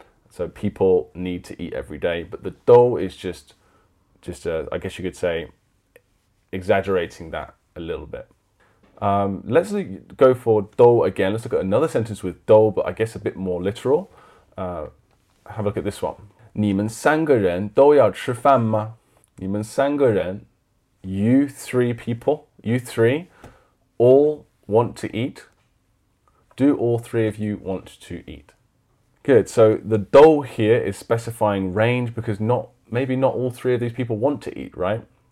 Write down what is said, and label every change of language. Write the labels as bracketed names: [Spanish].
[English] So people need to eat every day, but the 都 is just I guess you could say, exaggerating that a little bit. Let's go for 都 again. Let's look at another sentence with 都, but I guess a bit more literal. Have a look at this one. [Chinese] 你们三个人都要吃饭吗? 你们三个人, [English] you three people, you three, all want to eat. Do all three of you want to eat? Good, so the 都 here is specifying range because maybe not all three of these people want to eat, right?